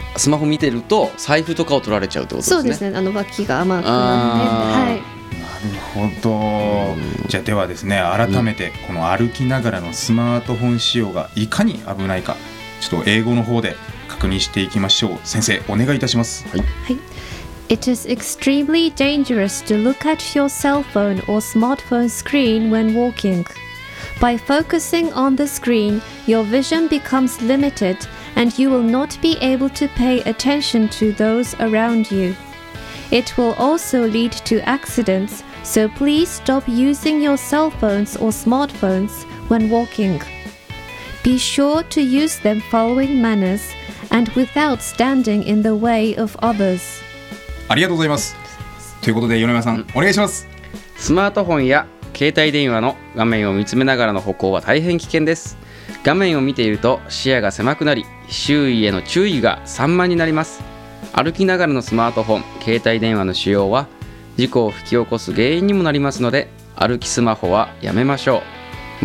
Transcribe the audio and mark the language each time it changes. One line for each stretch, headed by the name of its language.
Japanese: スマホ見てると財布とかを取られちゃうってことですね。そうですね、あの脇が甘くなって、はい、なるほど。じゃあではですね、改めてこの歩きながらのスマートフォン使用がいかに危ないか、ちょっと英語の方で確認していきましょう。先生お願いいたします。はい、はい。
English: It is extremely dangerous to look at your cell phone or smartphone screen when walking. By focusing on the screen, your vision becomes limited and you will not be able to pay attention to those around you. It will also lead to accidents, so please stop using your cell phones or smartphones when walking. Be sure to use them following manners and without standing in the way of others.
Japanese: ありがとうございます。ということで米山さん、うん、お願いします。スマートフォンや携帯電話の画面を見つめながらの歩行は大変危険です。画面を見ていると視野が狭くなり、周囲への注意が散漫になります。歩きながらのスマートフォン携帯電話の使用は事故を引き起こす原因にもなりますので、歩きスマホはやめましょう。